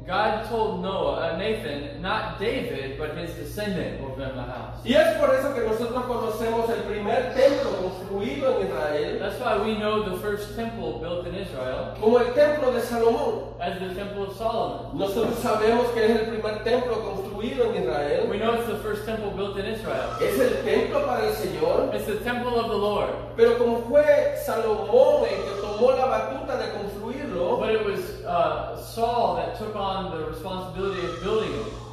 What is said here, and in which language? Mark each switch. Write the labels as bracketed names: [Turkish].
[English] God told Nathan, not David, but his descendant will build the house. [Spanish] Y es por eso que nosotros conocemos el primer templo construido en Israel. [English] That's why we know the first temple built in Israel. [Spanish] Como el templo de Salomón. [English] As the temple of Solomon. [Spanish] Nosotros sabemos que es el primer templo construido en Israel. [English] We know it's the first temple built in Israel. [Spanish] Es el templo para el Señor. [English] It's the temple of the Lord. [Spanish] Pero como fue Salomón el que tomó la batuta de construirlo. [English] But it was Saul that took on the responsibility of building it.